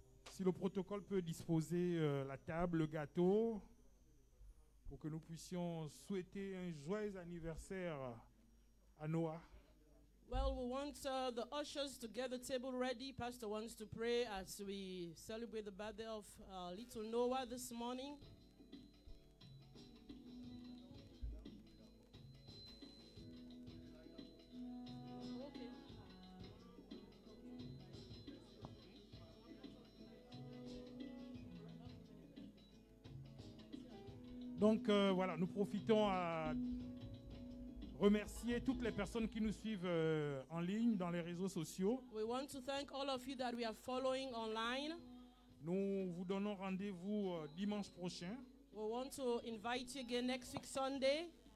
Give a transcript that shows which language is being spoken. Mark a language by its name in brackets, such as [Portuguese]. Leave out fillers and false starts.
[French] Si le protocole peut disposer la table, le gâteau, pour que nous puissions souhaiter un joyeux anniversaire à Noah. [English] Well, we want the ushers to get the table ready. Pastor wants to pray as we celebrate the birthday of little Noah this morning. [French] Donc voilà, nous profitons à remercier toutes les personnes qui nous suivent en ligne dans les réseaux sociaux. [English] We want to thank all of you that we are following online. [French] Nous vous donnons rendez-vous dimanche prochain. [English] We want to invite you again next week Sunday.